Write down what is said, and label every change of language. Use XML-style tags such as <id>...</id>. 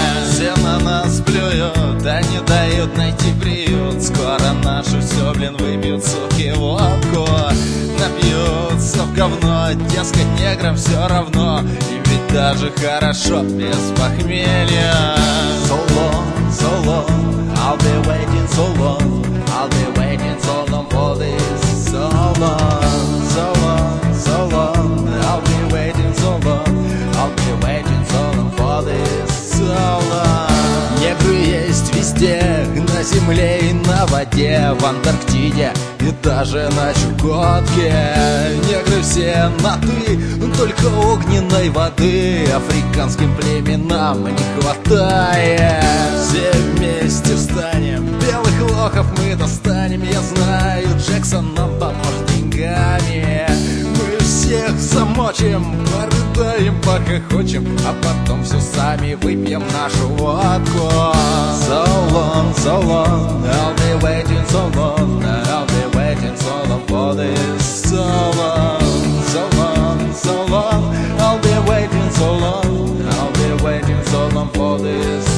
<ru>Все на нас плюют, да не дают найти приют. Скоро нашу все, блин, выбьют, суки, водку напьются в говно. Дескать, неграм все равно, и ведь даже хорошо без похмелья.</ru> <en>So long, so long, I'll be waiting so long, I'll be waiting so long for this. So long, so long, so long, I'll be waiting so long, I'll be waiting so long for this. So long.</en> <ru>Негры есть везде, на земле и на воде, в Антарктиде и даже на Чукотке. Негры все на ты, только огненной воды африканским племенам не хватает. Все вместе встанем, белых лохов мы достанем. Я знаю, Джексон нам поможет деньгами. Мы всех замочим, порыдаем, пока хочем, а потом все сами выпьем нашу водку.</ru> <en>So long, so long, I'll be waiting so long, I'll be waiting so long for this. So long, so long, so long, I'll be waiting so long, I'll be waiting so long for this.</en>